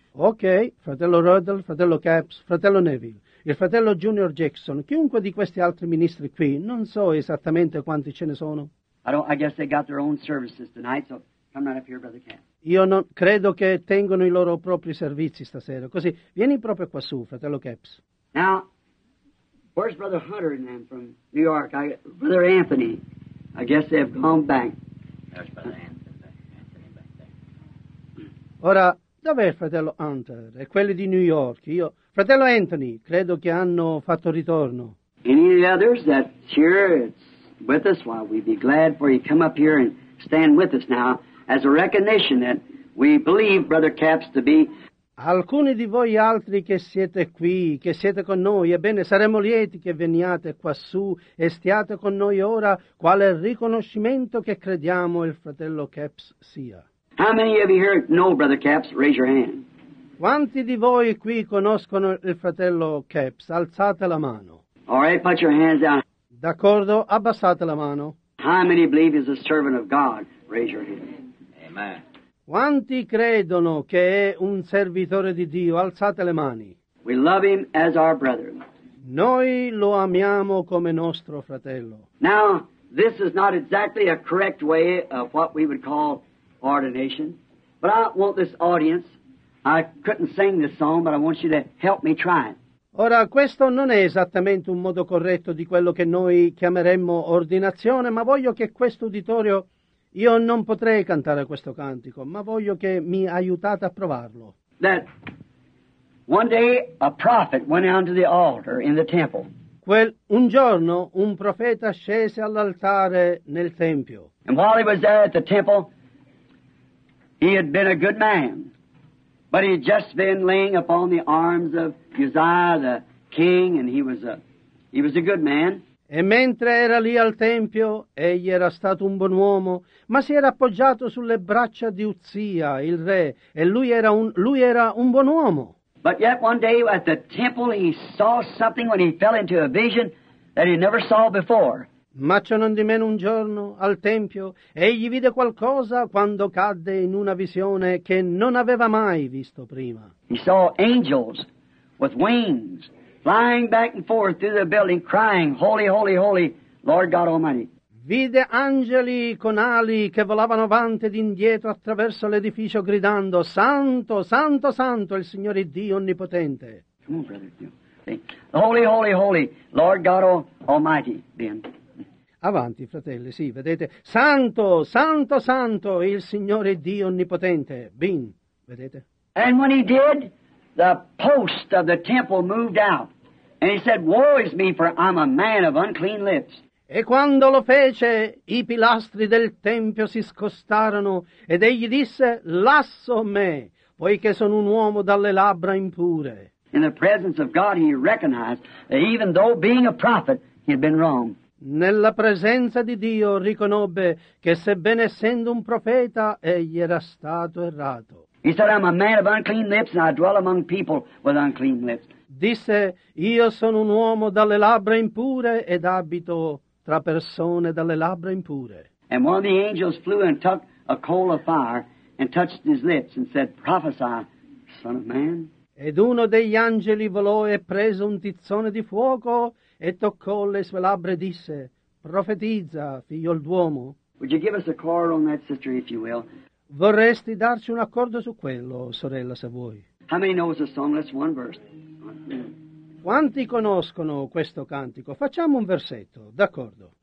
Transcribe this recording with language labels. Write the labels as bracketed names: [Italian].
[Italian] Okay, fratello Ruddle, fratello Capps, fratello Neville, il fratello Junior Jackson, chiunque di questi altri ministri qui, non so esattamente quanti ce ne sono. [English] I guess they got their own services tonight, so come right up here, Brother Capps. [Italian] Io non credo che tengano i loro propri servizi stasera. Così, vieni proprio quassù, fratello Capps. [English] Now, Where's Brother Hunter and them from New York? Brother Anthony. I guess they have gone back. There's Brother Anthony back there. [Italian] Ora, dov'è fratello Hunter e quelli di New York? Io, fratello Anthony, credo che hanno fatto ritorno. [English] Any of the others that's here it's with us, while we'd be glad for you to come up here and stand with us now as a recognition that we believe Brother Capps to be... [Italian] Alcuni di voi altri che siete qui, che siete con noi, ebbene, saremo lieti che veniate quassù e stiate con noi ora, quale riconoscimento che crediamo il fratello Capps sia. [English] How many of you here know Brother Capps? Raise your hand. [Italian] Quanti di voi qui conoscono il fratello Capps? Alzate la mano. [English] All right, put your hands down. [Italian] D'accordo, abbassate la mano. [English] How many believe he's a servant of God? Raise your hand. Amen. [Italian] Quanti credono che è un servitore di Dio? Alzate le mani. [English] We love him as our brother. [Italian] Noi lo amiamo come nostro fratello. [English] Now, this is not exactly a correct way of what we would call ordination, but I want this audience, I couldn't sing this song, but I want you to help me try it. [Italian] Ora, questo non è esattamente un modo corretto di quello che noi chiameremmo ordinazione, ma voglio che questo uditorio... Io non potrei cantare questo cantico, ma voglio che mi aiutate a provarlo. [English] That one day a prophet went onto the altar in the temple. [Italian] Un giorno un profeta scese all'altare nel tempio. [English] And while he was there at the temple, he had been a good man, but he had just been laying upon the arms of Uzziah the king, and he was a good man. [Italian] E mentre era lì al tempio, egli era stato un buon uomo, ma si era appoggiato sulle braccia di Uzzia, il re, e lui era un buon uomo. [English] But yet one day at the temple he saw something when he fell into a vision that he never saw before. [Italian] Ma ciò non di meno un giorno, al tempio, egli vide qualcosa quando cadde in una visione che non aveva mai visto prima. [English] He saw angels with wings. Flying back and forth through the building, crying, "Holy, holy, holy, Lord God Almighty." [Italian] Vide angeli con ali che volavano avanti ed indietro attraverso l'edificio gridando, "Santo, santo, santo, il Signore Dio onnipotente." [English] Come on, brother. Okay. "Holy, holy, holy, Lord God Almighty." Ben. [Italian] Avanti, fratelli. Sì, vedete, "Santo, santo, santo, il Signore Dio onnipotente." Ben. Vedete. [English] And when he did. The post of the temple moved out, and he said, "Woe is me, for I'm a man of unclean lips." [Italian] E quando lo fece, i pilastri del tempio si scostarono, ed egli disse, "Lasso me, poiché sono un uomo dalle labbra impure." [English] In the presence of God, he recognized that even though being a prophet, he had been wrong. [Italian] Nella presenza di Dio riconobbe che sebbene essendo un profeta, egli era stato errato. [English] He said, "I'm a man of unclean lips, and I dwell among people with unclean lips." [Italian] Disse, "Io sono un uomo dalle labbra impure ed abito tra persone dalle labbra impure." [English] And one of the angels flew and took a coal of fire and touched his lips and said, "Prophesy, son of man." [Italian] Ed uno degli angeli volò e prese un tizzone di fuoco e toccò le sue labbra e disse, "Profetizza, figlio d'uomo." [English] Would you give us a card on that, sister, if you will? [Italian] Vorresti darci un accordo su quello, sorella, se vuoi. [English] How many knows the song? That's one verse. [Italian] Quanti conoscono questo cantico? Facciamo un versetto, d'accordo.